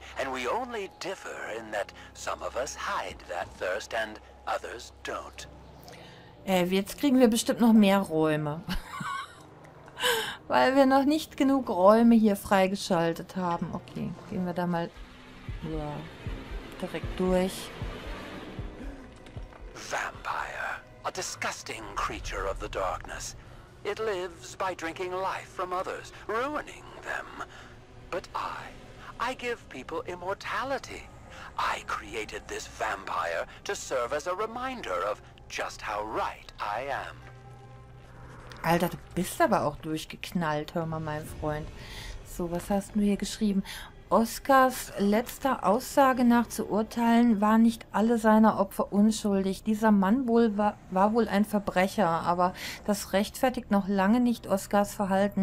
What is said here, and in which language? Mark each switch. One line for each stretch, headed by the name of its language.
English: And we only differ in that some of us hide that thirst and others don't.
German: Jetzt kriegen wir bestimmt noch mehr Räume. Weil wir noch nicht genug Räume hier freigeschaltet haben. Okay, gehen wir da mal direkt durch.
English: Vampire, a disgusting creature of the darkness. It lives by drinking life from others, ruining them. But I give people immortality. I created this vampire to serve as a reminder of just how right I am.
German: Alter, du bist aber auch durchgeknallt, hör mal, mein Freund. So, was hast du hier geschrieben? Oscars letzter Aussage nach zu urteilen, waren nicht alle seiner Opfer unschuldig. Dieser Mann war wohl ein Verbrecher, aber das rechtfertigt noch lange nicht Oscars Verhalten.